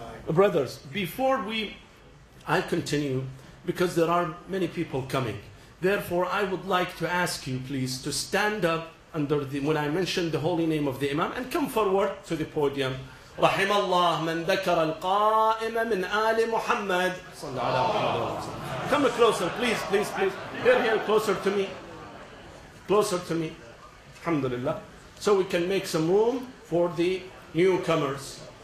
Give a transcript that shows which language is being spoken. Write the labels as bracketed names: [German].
[English] Brothers, before we I continue because there are many people coming. Therefore, I would like to ask you, please, to stand up under the, when I mention the holy name of the Imam, and come forward to the podium. [Arabic] رحم الله من ذكر القائمة من آل محمد. [English] Come closer, please, please, please. Here, here, closer to me. Closer to me. Alhamdulillah. So we can make some room for the newcomers.